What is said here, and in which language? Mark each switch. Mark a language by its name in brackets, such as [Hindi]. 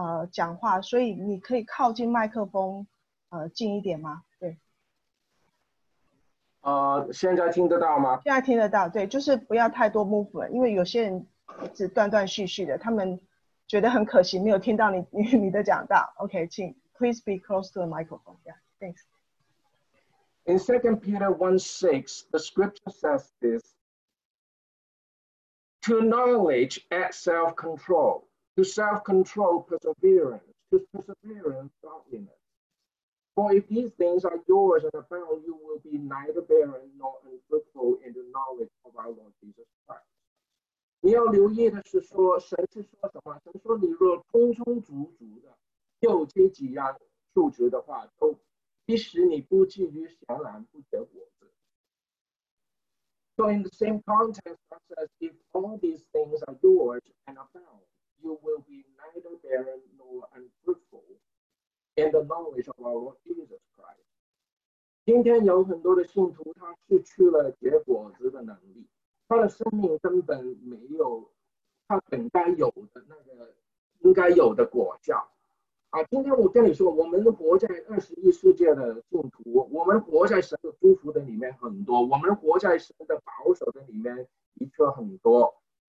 [Chinese] 讲话，所以你可以靠近麦克风，近一点吗？对。现在听得到吗？现在听得到，对，就是不要太多 movement， 因为有些人一直断断续续的，他们觉得很可惜，没有听到你的讲到。 [English] OK， 请 please be close to the microphone. Yeah, thanks. In 2 Peter 1:6, the scripture says this: to knowledge add self-control; to self-control, perseverance; to perseverance, godliness. For if these things are yours and abound, you will be neither barren nor unfruitful in the knowledge of our Lord Jesus Christ. [Chinese] 你要留意的是说，神是说什么？神说你若充充足足的，又积极然数值的话，都必使你不至于闲懒不结果子。 [English] So in the same context, God says, if all these things are yours and abound, you will be neither barren nor unfruitful in the knowledge of our Lord Jesus Christ. [Chinese] 今天有很多的信徒，他失去了结果子的能力。他的生命根本没有他本该有的那个应该有的果效啊！今天我跟你说，我们活在21世纪的信徒，我们活在神的祝福的里面很多，我们活在神的保守的里面的确很多。